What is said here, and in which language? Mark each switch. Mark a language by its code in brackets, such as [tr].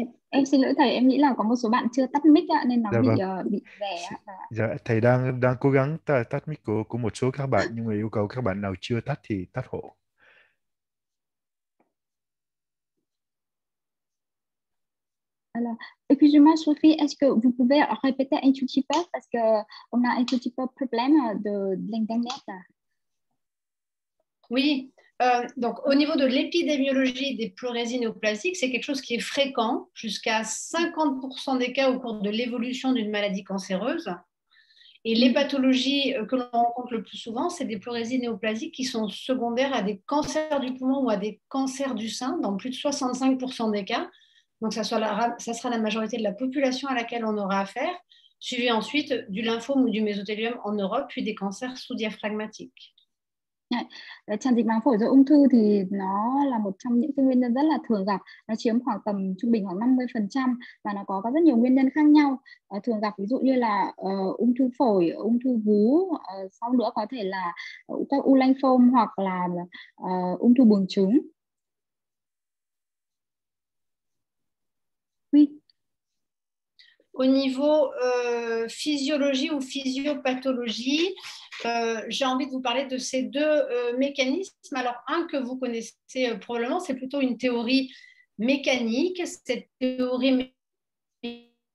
[vi] Em xin lỗi thầy, em nghĩ là có một số bạn chưa tắt mic ạ, nên nó bị rè. Dạ, thầy đang cố gắng tắt mic của một số các bạn, nhưng mà yêu cầu các bạn nào chưa tắt thì tắt hộ. [fr] Alors, excusez-moi Sophie, est-ce que vous pouvez répéter un tout petit peu, parce que on a un tout petit peu problème de l'internet. Oui. Donc, au niveau de l'épidémiologie des pleurésies néoplasiques, c'est quelque chose qui est fréquent, jusqu'à 50% des cas au cours de l'évolution d'une maladie cancéreuse. Et les pathologies que l'on rencontre le plus souvent, c'est des pleurésies néoplasiques qui sont secondaires à des cancers du poumon ou à des cancers du sein, dans plus de 65% des cas. Donc, ça sera la majorité de la population à laquelle on aura affaire, suivie ensuite du lymphome ou du mésothélium en Europe, puis des cancers sous-diaphragmatiques. [vi] Tràn dịch màng phổi do ung thư thì nó là một trong những nguyên nhân rất là thường gặp. Nó chiếm khoảng tầm trung bình khoảng 50% và nó có rất nhiều nguyên nhân khác nhau. Thường gặp ví dụ như là ung thư phổi, ung thư vú, sau nữa có thể là các u lymphome hoặc là ung thư buồng trứng. [fr] Oui. au niveau physiologie ou physiopathologie, j'ai envie de vous parler de ces deux mécanismes. Alors, un que vous connaissez probablement, c'est plutôt une théorie mécanique. Cette théorie mécanique...